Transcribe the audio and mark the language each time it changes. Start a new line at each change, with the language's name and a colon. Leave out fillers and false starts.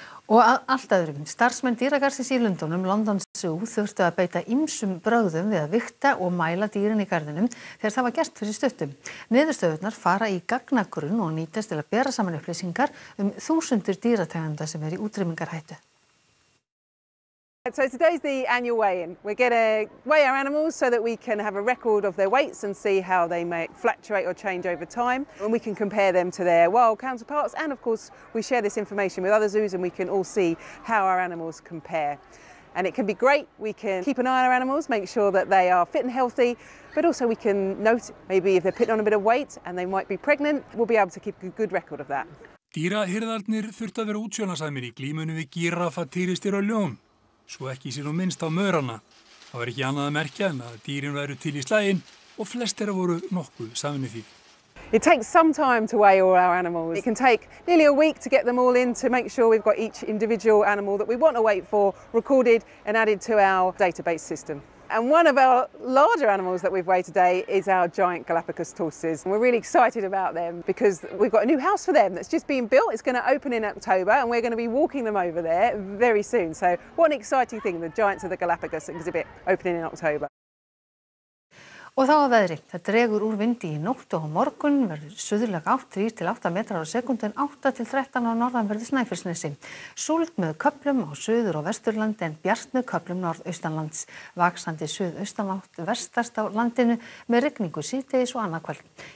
Icelandic: Og allt öðrum, starfsmenn dýragarðsins í Lundunum, London Zoo, þurftu að beita ýmsum brögðum við að vikta og mæla dýrin í garðinum þegar það var gert fyrir stuttum. Niðurstöðurnar fara í gagnagrunn og nýtast til að bera saman upplýsingar þúsundir dýrategunda sem í útrýmingarhættu.
English: So today's the annual weigh-in. We're going to weigh our animals so that we can have a record of their weights and see how they may fluctuate or change over time. And we can compare them to their wild counterparts. And of course, we share this information with other zoos and we can all see how our animals compare. And it can be great. We can keep an eye on our animals, make sure that they are fit and healthy. But also we can note maybe if they're putting on a bit of weight and they might be pregnant, we'll be able to keep a good record of that.
Icelandic: Dýrahirðarnir þurftu að vera útsjónarsamir í glímunum við gíraffa, tígrisdýr og ljón. Svo ekki sér nú minnst á mörana. Það var ekki annað að merkja en að dýrin væru til í slaginn og flest þeirra voru nokkuð saminni því.
English: It takes some time to weigh all our animals. It can take nearly a week to get them all in to make sure we've got each individual animal that we want to weigh for recorded and added to our database system. And one of our larger animals that we've weighed today is our giant Galapagos tortoises. And we're really excited about them because we've got a new house for them that's just being built. It's going to open in October and we're going to be walking them over there very soon. So what an exciting thing, the Giants of the Galapagos exhibit opening in October.
Icelandic: Og þá að veðri. Það dregur úr vindi í nóttu og morgun, verður suðurlega 3-8 metrar á sekundu en 8-13 á norðanverðu Snæfellsnesi. Súld með köflum á suður og vesturlandi en bjart með köflum norðaustanlands. Vaxandi suðaustanátt vestast á landinu með rigningu síðdegis og annaðkvöld.